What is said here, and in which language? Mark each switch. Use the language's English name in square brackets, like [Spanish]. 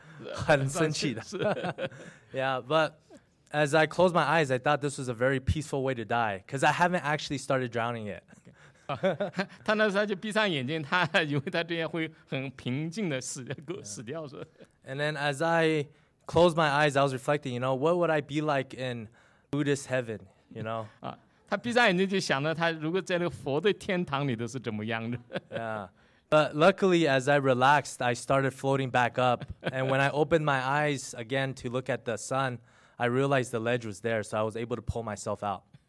[Chinese] Yeah, 他就想到他妈妈可能很不高兴，他爸爸也会很生气。我妈妈会很伤心的，我爸爸会很生气的。Yeah, [English] but as I closed my eyes, I thought this was a very peaceful way to die because I haven't actually started drowning yet. [Chinese] 他那时候就闭上眼睛，他以为他这样会很平静的死掉。 [English] And then as I closed my eyes, I was reflecting, you know, what would I be like in Buddhist heaven, you know? [Chinese] 他闭上眼睛就想到他如果在那个佛的天堂里头是怎么样的。 [English] Yeah, but luckily as I relaxed, I started floating back up. And when I opened my eyes again to look at the sun, I realized the ledge was there, so I was able to pull myself out.